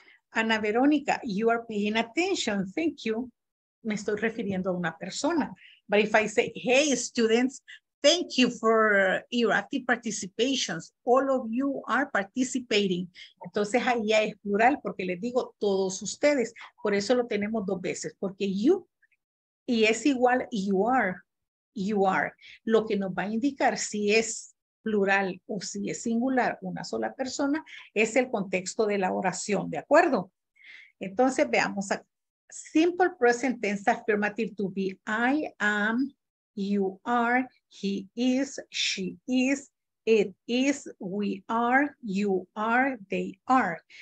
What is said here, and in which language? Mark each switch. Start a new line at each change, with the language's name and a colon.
English: Ana Verónica, you are paying attention, thank you.
Spanish: Me estoy refiriendo a una persona.
English: But if I say, hey students, thank you for your active participations. All of you are participating.
Spanish: Entonces ahí ya es plural porque les digo todos ustedes. Por eso lo tenemos dos veces, porque you y es igual
English: you are, you are.
Spanish: Lo que nos va a indicar si es plural o si es singular una sola persona es el contexto de la oración, ¿de acuerdo? Entonces veamos acá.
English: Simple present tense affirmative to be I am, you are, he is, she is, it is, we are, you are, they are.